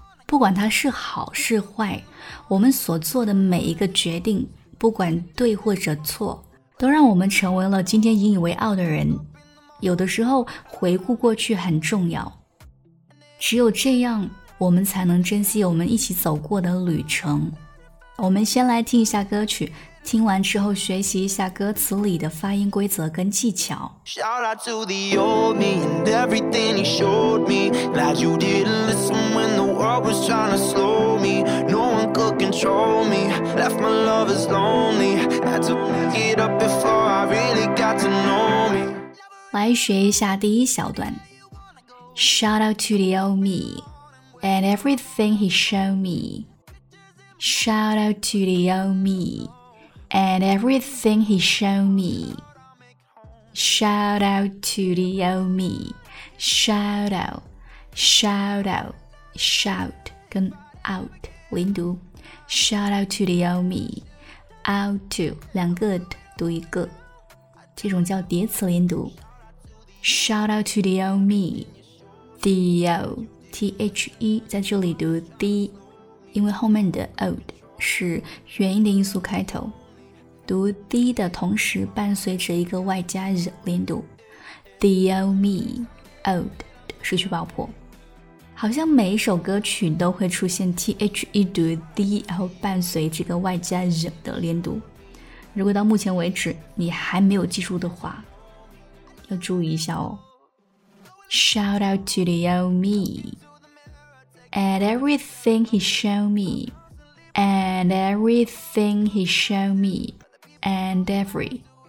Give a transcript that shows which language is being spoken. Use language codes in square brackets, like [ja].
[zh] 不管它是好是坏，我们所做的每一个决定，不管对或者错，都让我们成为了今天引以为傲的人。有的时候回顾过去很重要，只有这样我们才能珍惜我们一起走过的旅程。我们先来听一下歌曲，听完之后学习一下歌词里的发音规则跟技巧。 [en] Shout out to the old me and everything he showed me. Glad you didn't listen when the world was trying to slow me. No one could control me. Left my lovers lonely. Had to pick it up before I really got to know me. [zh] 来学一下第一小段。 [en] Shout out to the old me and everything he showed me. Shout out to the old meAnd everything he showed me. Shout out to the old me. Shout out. Shout out. Shout 跟 out [zh] 连读。 [en] Shout out to the old me. Out to [zh] 两个 t 读一个，这种叫叠词连读。 [en] Shout out to the old me. The old [zh] T-H-E 在这里读 the， 因为后面的 old 是元音的音素开头，读 D 的同时伴随着一个外加 Z 连读。 [en] The old me [zh] old 失去爆破，好像每一首歌曲都会出现 THE 读 D 然后伴随这个外加 Z 的连读。如果到目前为止你还没有记住的话，要注意一下哦。 [en] Shout out to the old me and everything he showed me and everything he showed meAnd every,